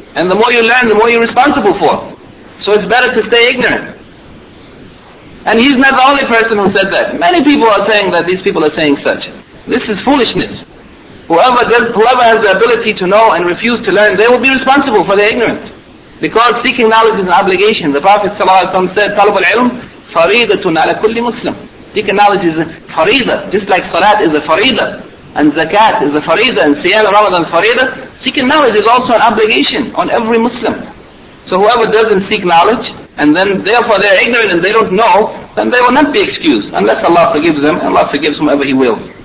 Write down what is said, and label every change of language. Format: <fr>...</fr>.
<en>And the more you learn, the more you're responsible for. So it's better to stay ignorant. And he's not the only person who said that. Many people are saying that these people are saying such. This is foolishness. Whoever has the ability to know and refuse to learn, they will be responsible for their ignorance. Because seeking knowledge is an obligation. The Prophet ﷺ said,</en> <ar>طلب العلم فريضة على كل مسلم.</ar> <en>Seeking knowledge is a faridah, just like salat is a faridah, and zakat is a faridah, and siyam Ramadan is faridah. Seeking knowledge is also an obligation on every Muslim. So whoever doesn't seek knowledge, and then therefore they are ignorant and they don't know, then they will not be excused, unless Allah forgives them, and Allah forgives whomever He will.</en>